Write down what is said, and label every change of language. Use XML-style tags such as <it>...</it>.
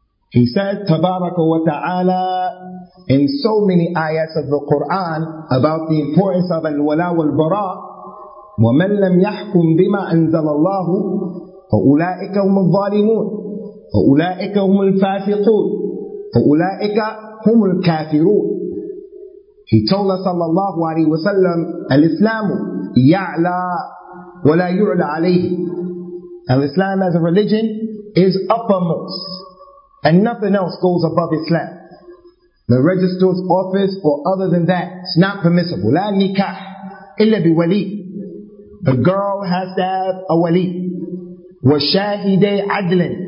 <en>He said,</en> <ar>تَبَارَكَ وَتَعَالَى,</ar> <en>in so many ayats of the Quran about the importance of al-wala wal-bara,</en> <ar>وَمَنْ لَمْ يَحْكُمْ بِمَا أَنْزَلَ اللَّهُ فَأُولَٰئِكَ هُمُ الظَّالِمُونَ فَأُولَٰئِكَ هُمُ الْفَاسِقُونَ فَأُولَٰئِكَ هم الكافرون.</ar> <en>He told us</en> <ar>صلى الله عليه وسلم الإسلام يعلى ولا يعلى عليه.</ar> <en>Islam as a religion is uppermost, and nothing else goes above Islam. The register's office or other than that, it's not permissible.</en> <ar>لا نكاح إلا بولي.</ar> <en>A girl has to have a wali.</en> <ar>وَشَاهِدَ عَدْلٍ.</ar>